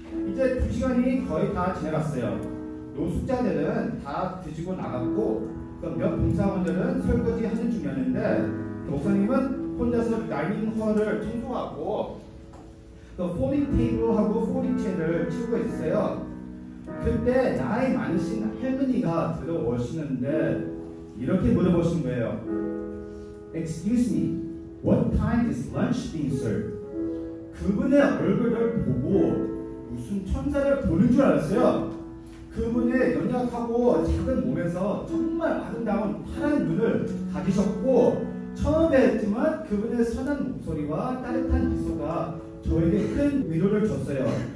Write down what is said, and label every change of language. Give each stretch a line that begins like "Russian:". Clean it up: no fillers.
Korean: 이제 2시간이 거의 다 지나갔어요. 노숙자들은 다 뒤지고 나갔고 몇 봉사원들은 설거지 하는 중이었는데 목사님은 혼자서 다이닝홀을 청소하고 그 폴딩 테이블하고 폴딩 체인을 치우고 있었어요. 그때 나이 많으신 할머니가 들어오시는데 이렇게 물어보신 거예요.
English: Excuse me, what time is lunch being served?
Korean: 그분의 얼굴을 보고 무슨 천사를 보는 줄 알았어요. 그분의 연약하고 작은 몸에서 정말 아름다운 파란 눈을 가지셨고 처음 뵀지만 그분의 선한 목소리와 따뜻한 미소가 저에게 큰 위로를 줬어요.